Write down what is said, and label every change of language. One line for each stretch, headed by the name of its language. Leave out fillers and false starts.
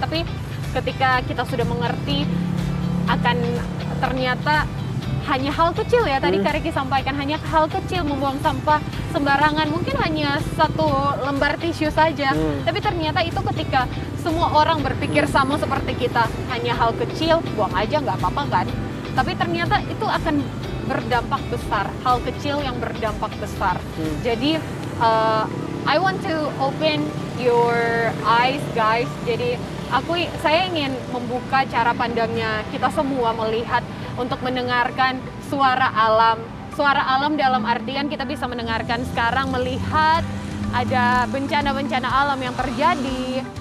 Indonesian: Tapi ketika kita sudah mengerti, akan ternyata hanya hal kecil ya, tadi Kak Riki sampaikan, hanya hal kecil membuang sampah sembarangan. Mungkin hanya satu lembar tisu saja, tapi ternyata itu ketika semua orang berpikir sama seperti kita, hanya hal kecil, buang aja nggak apa-apa kan. Tapi ternyata itu akan berdampak besar, hal kecil yang berdampak besar. Jadi,
English: I want to open your eyes guys.
Indonesian: Jadi, saya ingin membuka cara pandangnya kita semua melihat, untuk mendengarkan suara alam. Suara alam dalam artian kita bisa mendengarkan sekarang, melihat ada bencana-bencana alam yang terjadi.